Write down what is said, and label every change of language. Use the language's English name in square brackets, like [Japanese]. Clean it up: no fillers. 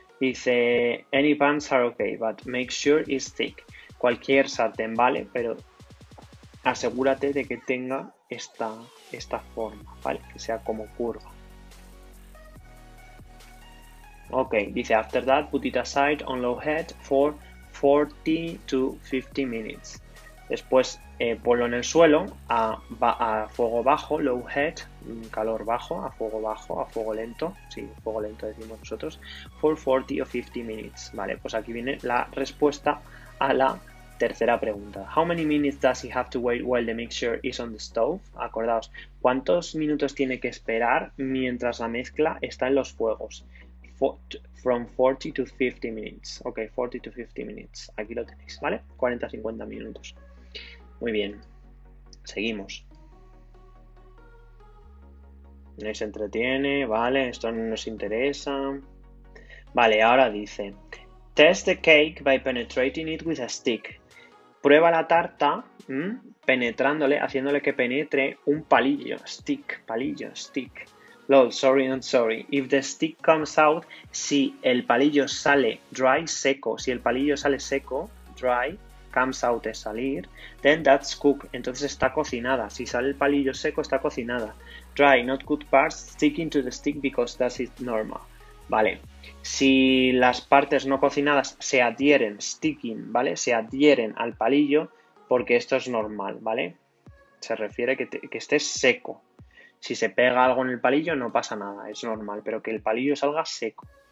[English] Dice, any pans are okay, but make sure it's thick. [Spanish] Cualquier sartén vale, pero asegúrate de que tenga esta forma, ¿vale? Que sea como curva. [English] Ok, dice, after that, put it aside on low heat for 40 to 50 minutes. [Spanish] Después ponlo en el suelo a fuego bajo, low heat, calor bajo, a fuego lento, sí, fuego lento decimos nosotros, [English] for 40 or 50 minutes. [Spanish] Vale, pues aquí viene la respuesta a la tercera pregunta. [English] How many minutes does he have to wait while the mixture is on the stove? [Spanish] Acordaos, ¿cuántos minutos tiene que esperar mientras la mezcla está en los fuegos? [English] From 40 to 50 minutes. Ok, 40 to 50 minutes. [Spanish] Aquí lo tenéis, [English] ¿vale? [Spanish] 40-50 minutos. Muy bien, seguimos. No se entretiene, ¿vale? Esto no nos interesa. Vale, ahora dice, [English] test the cake by penetrating it with a stick. [Spanish] Prueba la tarta penetrándole, haciéndole que penetre un palillo, stick. [English] Lol, sorry. If the stick comes out, [Spanish] si el palillo sale dry, seco, si el palillo sale seco, dry, comes out es salir, [English] then that's cooked, [Spanish] entonces está cocinada. Si sale el palillo seco, está cocinada. [English] Dry, not cooked parts, sticking to the stick because that's it normal. [Spanish] Vale, si las partes no cocinadas se adhieren, sticking, ¿vale? Se adhieren al palillo porque esto es normal, ¿vale? Se refiere que esté seco. Si se pega algo en el palillo no pasa nada, es normal, pero que el palillo salga seco.